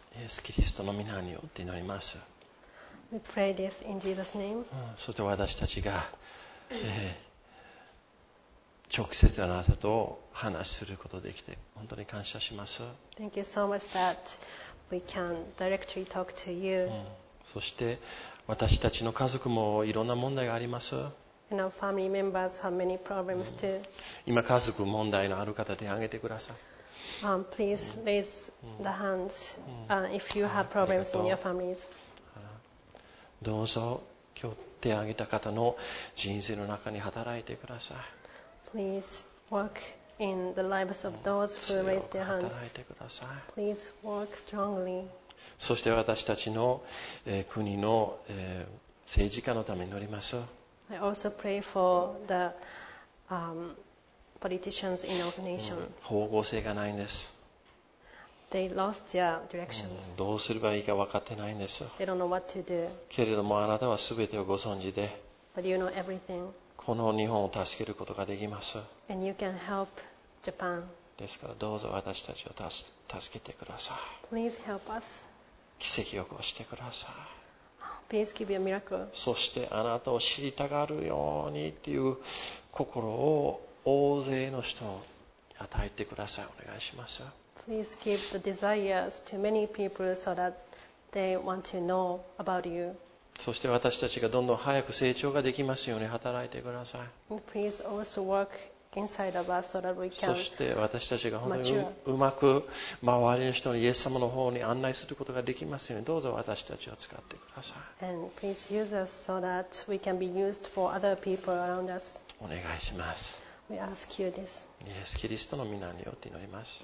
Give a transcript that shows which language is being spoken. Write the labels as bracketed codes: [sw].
[ja] イエス・キリストの名によって祈ります。 [en] We pray this in Jesus' name. [ja] そして私たちが、直接あなたと話することができて本当に感謝します。 [en] Thank you so much that we can directly talk to you. [ja] そして私たちの家族もいろんな問題があります。 [en] And our family members have many problems too. [ja] 今家族問題のある方手を挙げてください。 [en] Please raise the hands if you have problems in your families. [ja] どうぞ今日手を挙げた方の人生の中に働いてください。 [en] Please work in the lives of those who raise their hands. [ja] 働いてください。 [en] Please work strongly. [ja] そして私たちの、国の、政治家のために祈ります。 [en] I also pray for the politicians in our nation. [ja] 方向性がないんです。 [en] They lost their directions. [ja] どうすればいいか分かってないんです。 [en] They don't know what to do. [ja] けれどもあなたは全てをご存知で。 [en] But you know everything. [ja] この日本を助けることができます。 [en] And you can help Japan. [ja] ですからどうぞ私たちを助けてください。 [en] Please help us. [ja] 奇跡を起こしてください。 [en] Please give me a miracle. [ja] そしてあなたを知りたがるようにっていう心を大勢の人に与えてください。お願いします。 [en] Please give the desires to many people so that they want to know about you. [ja] そして私たちがどんどん早く成長ができますように働いてください。 [en] Please also work inside of us so that we can. [ja] そして私たちが本当にうまく周りの人にイエス様の方に案内することができますように、どうぞ私たちを使ってください。 [en] And please use us so that we can be used for other people around us. [ja] お願いします。 [en] We ask you this. [ja] イエス・キリストの名によって祈ります。